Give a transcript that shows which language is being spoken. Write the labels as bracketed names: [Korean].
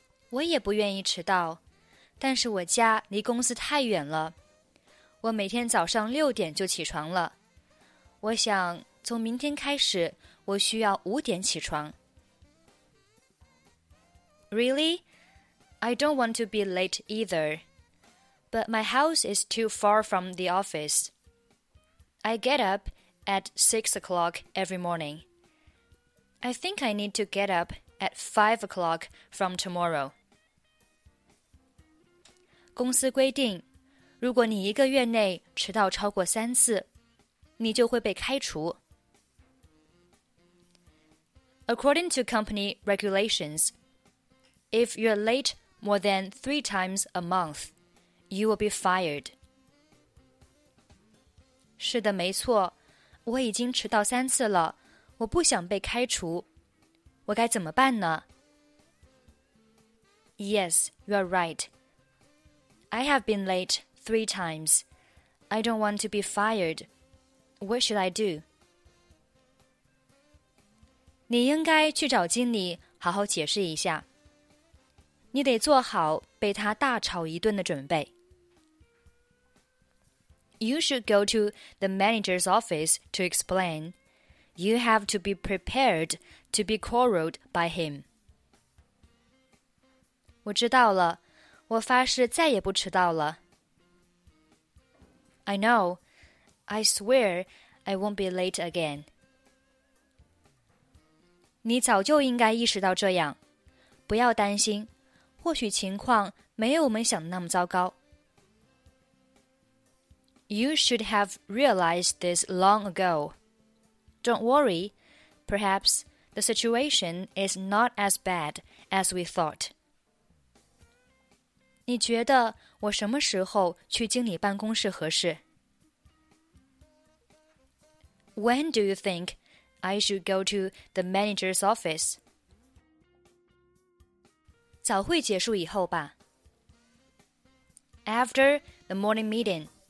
[Chinese] 我也不愿意迟到，但是我家离公司太远了。我每天早上六点就起床了。我想从明天开始，我需要五点起床。 [English] Really? I don't want to be late either. But my house is too far from the office. I get up at 6 o'clock every morning. I think I need to get up at 5 o'clock from tomorrow. [Chinese] 公司规定，如果你一个月内迟到超过三次，你就会被开除。 [English] According to company regulations, if you're late more than 3 times a month, you will be fired. [Chinese] 是的，没错，我已经迟到三次了，我不想被开除，我该怎么办呢？ [English] Yes, you're right. I have been late 3 times. I don't want to be fired. What should I do? [Chinese] 你应该去找经理好好解释一下。你得做好被他大吵一顿的准备。 [English] You should go to the manager's office to explain. You have to be prepared to be quarreled by him. [Chinese] 我知道了，我发誓再也不迟到了。 [English] I know. I swear I won't be late again. [Chinese] 你早就应该意识到这样，不要担心，或许情况没有我们想的那么糟糕。 [English] You should have realized this long ago. Don't worry, perhaps the situation is not as bad as we thought. [Chinese] 你觉得我什么时候去经理办公室合适？ [English] When do you think I should go to the manager's office. [Chinese] 早会结束以后吧。 [English] After the morning meeting.